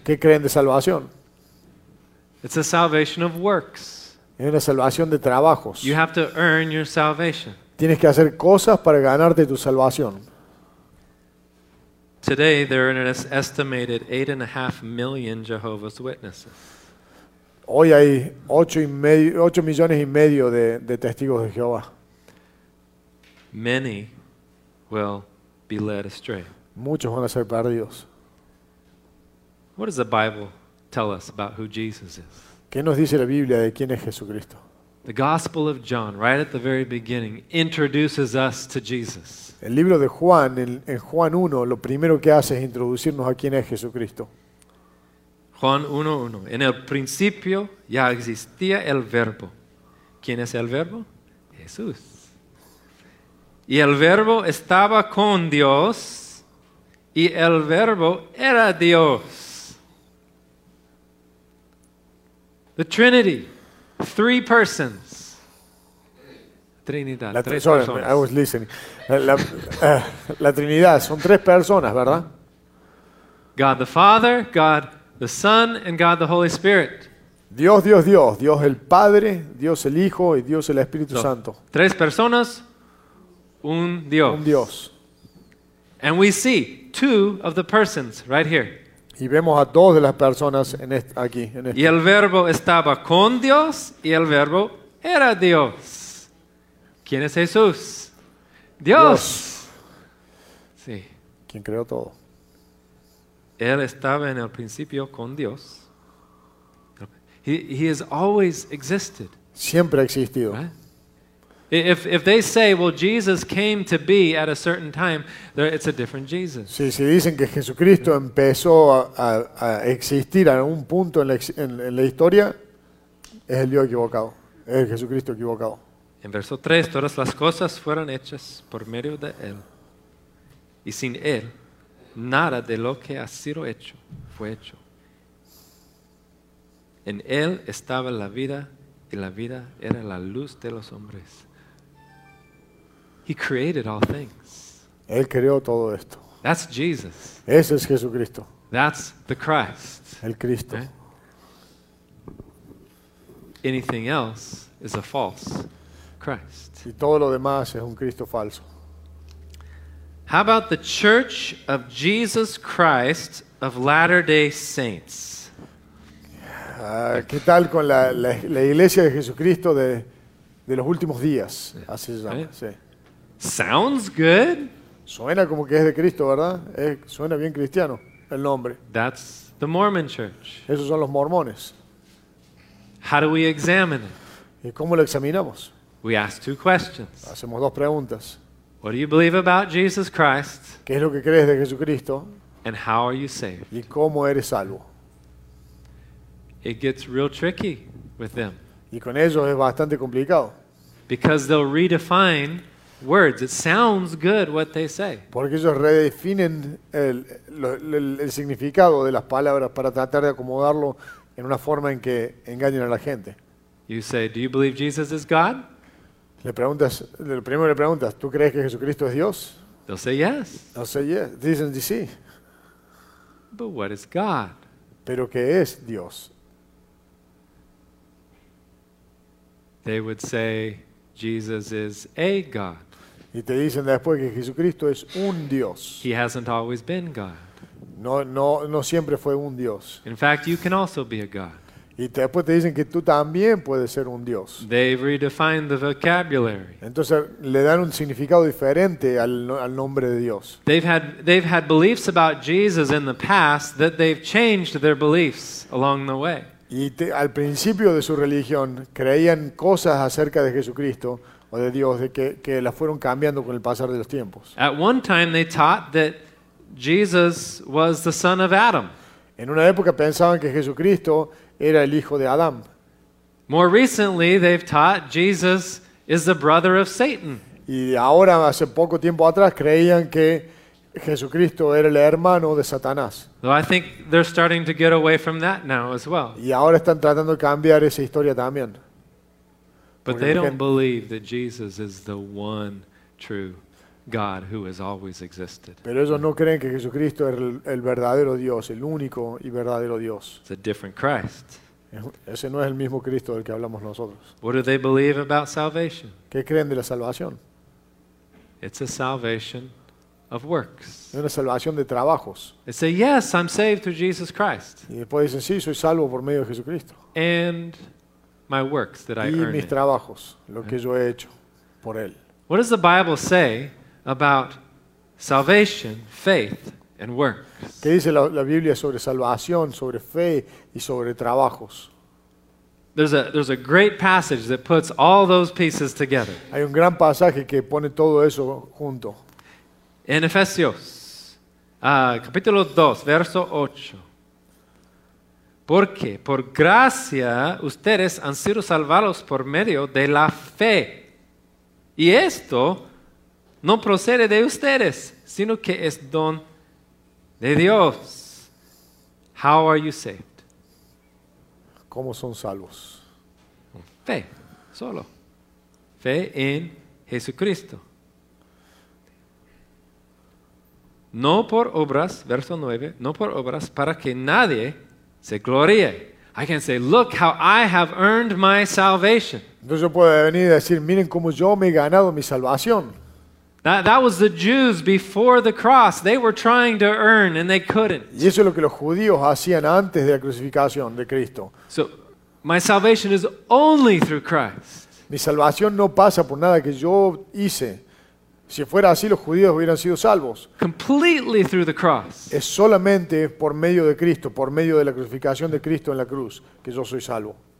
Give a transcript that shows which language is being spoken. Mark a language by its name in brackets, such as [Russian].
[Spanish] ¿Qué creen de salvación? [English] It's a salvation of works. [Spanish] Es una salvación de trabajos. [English] You have to earn your salvation. [Spanish] Tienes que hacer cosas para ganarte tu salvación. [English] Today there are an estimated 8.5 million Jehovah's Witnesses. [Spanish] Hoy hay 8.5 millones de testigos de Jehová. [English] Many will be led astray. [Spanish] Muchos van a ser perdidos. [English] What does the Bible tell us about who Jesus is? [Spanish] ¿Qué nos dice la Biblia de quién es Jesucristo? [English] The Gospel of John, right at the very beginning, introduces us to Jesus. [Spanish] El libro de Juan, en Juan 1, lo primero que hace es introducirnos a quién es Jesucristo. Juan 1:1. En el principio ya existía el Verbo. ¿Quién es el Verbo? Jesús. Y el Verbo estaba con Dios, y el Verbo era Dios. [English] The Trinity, three persons. Trinidad. I was listening. [Spanish] La Trinidad son tres personas, ¿verdad? [English] God the Father, God the Son, and God the Holy Spirit. [Spanish] Dios, Dios, Dios. Dios el Padre, Dios el Hijo y Dios el Espíritu Santo. Tres personas, un Dios. Un Dios. [English] And we see two of the persons right here. [Spanish] Y vemos a dos de las personas en aquí. En y el Verbo estaba con Dios y el Verbo era Dios. ¿Quién es Jesús? Dios. Sí. ¿Quién creó todo? Él estaba en el principio con Dios. [English] He has always existed. [Spanish] Siempre ha existido. [English] Right? If they say, well, Jesus came to be at a certain time, there, it's a different Jesus. [Spanish] Si dicen que Jesucristo empezó a existir en un punto en la historia, es el Dios equivocado, es el Jesucristo equivocado. En verso 3, todas las cosas fueron hechas por medio de Él. Y sin Él, nada de lo que ha sido hecho fue hecho. En Él estaba la vida y la vida era la luz de los hombres. [English] He created all things. [Spanish] Él creó todo esto. [English] That's Jesus. [Spanish] Ese es Jesucristo. [English] That's the Christ. [Spanish] El Cristo. [English] Right? Anything else is a false Christ. [Spanish] Y todo lo demás es un Cristo falso. [English] How about the Church of Jesus Christ of Latter-day Saints? [Spanish] ¿Qué tal con la Iglesia de Jesucristo de los últimos días? Así se llama, sí. [English] Sounds good. [Spanish] Suena como que es de Cristo, ¿verdad? Suena bien cristiano el nombre. [English] That's the Mormon Church. [Spanish] Esos son los mormones. [English] How do we examine it? [Spanish] ¿Y cómo lo examinamos? [English] We ask two questions. [Spanish] Hacemos dos preguntas. [English] What do you believe about Jesus Christ? [Spanish] ¿Qué es lo que crees de Jesucristo? [English] And how are you saved? [Spanish] ¿Y cómo eres salvo? [English] it gets real tricky with them. [Spanish] Y con ellos es bastante complicado. [English] Because they'll redefine words. It sounds good what they say. [Spanish] Porque ellos redefinen el significado de las palabras para tratar de acomodarlo en una forma en que engañen a la gente. [English] You say, "Do you believe Jesus is God?" [Spanish] Le preguntas, lo primero le preguntas, ¿tú crees que Jesucristo es Dios? [English] They'll say yes. They'll say yes. [Spanish] Dicen que sí. [English] But what is God? [Spanish] Pero ¿qué es Dios? [English] They would say Jesus is a God. [Spanish] Y te dicen después que Jesucristo es un Dios. [English] He hasn't always been God. [Spanish] No siempre fue un Dios. [English] In fact, you can also be a God. [Spanish] Y después te dicen que tú también puedes ser un Dios. [English] They redefine the vocabulary. [Spanish] Entonces le dan un significado diferente al nombre de Dios. [English] They've had beliefs about Jesus in the past that they've changed their beliefs along the way. [Spanish] Y al principio de su religión creían cosas acerca de Jesucristo o de Dios de que las fueron cambiando con el pasar de los tiempos. [English] At one time they taught that Jesus was the son of Adam. [Spanish] En una época pensaban que Jesucristo era el hijo de Adán. [English] More recently, they've taught Jesus is the brother of Satan. [Spanish] Y ahora, hace poco tiempo atrás, creían que Jesucristo era el hermano de Satanás. [English] Though I think they're starting to get away from that now as well. [Spanish] Y ahora están tratando de cambiar esa historia también. [English] But they don't believe that Jesus is the one true God who has always existed. [Spanish] Pero ellos no creen que Jesucristo es el verdadero Dios, el único y verdadero Dios. [English] It's a different Christ. [Spanish] Ese no es el mismo Cristo del que hablamos nosotros. [English] What do they believe about salvation? [Spanish] ¿Qué creen de la salvación? [English] It's a salvation of works. [Spanish] Es una salvación de trabajos. [English] They say, yes, I'm saved through Jesus Christ. [Spanish] Y después dicen, sí, soy salvo por medio de Jesucristo. [English] And my works that I earned. [Spanish] Y mis trabajos, lo que yo he hecho por él. [English] What does the Bible say about salvation, faith, and works? [Spanish] ¿Qué dice la Biblia sobre salvación, sobre fe y sobre trabajos? [English] There's a great passage that puts all those pieces together. [Spanish] Hay un gran pasaje que pone todo eso junto. En Efesios, capítulo 2, verso 8. Porque por gracia ustedes han sido salvados por medio de la fe. Y esto no procede de ustedes, sino que es don de Dios. [English] How are you saved? [Spanish] ¿Cómo son salvos? Fe, solo. Fe en Jesucristo. No por obras, verso 9, no por obras para que nadie se gloríe. [English] I can say, look how I have earned my salvation. [Spanish] Entonces yo puedo venir y decir, miren cómo yo me he ganado mi salvación. [English] That was the Jews before the cross. They were trying to earn and they couldn't. [Spanish] Y eso es lo que los judíos hacían antes de la crucificación de Cristo. [English] So, my salvation is only through Christ. [Spanish] Mi salvación no pasa por nada que yo hice. Si fuera así, los judíos hubieran sido salvos. [English] Completely through the cross. [Spanish] Es solamente por medio de Cristo, por medio de la crucificación de Cristo en la cruz, que yo soy salvo.